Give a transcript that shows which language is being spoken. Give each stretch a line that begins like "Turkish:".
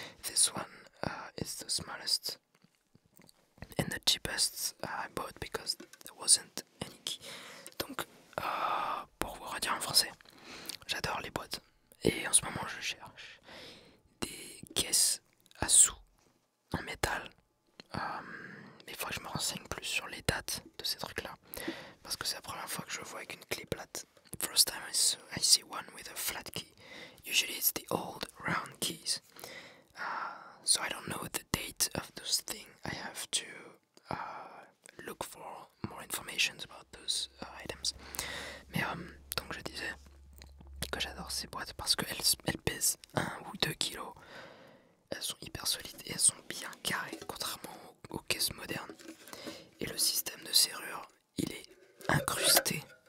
English: This one is the smallest and the cheapest I bought because there wasn't any key.
French: Donc, pour vous redire en français, j'adore les boîtes. Et en ce moment, je cherche des caisses à sous en métal. Mais il faut que je me renseigne plus sur les dates de ces trucs-là. Parce que c'est la première fois que je vois avec une clé plate.
English: First time I see one with a flat key. Usually it's the old round keys. So I don't know the date of those things. I have to look for more information about those items.
French: Mais donc je disais que j'adore ces boîtes parce qu'elles pèsent 1 ou 2 kilos. Elles sont hyper solides et elles sont bien carrées, contrairement aux caisses modernes. Et le système de serrure, il est incrusté.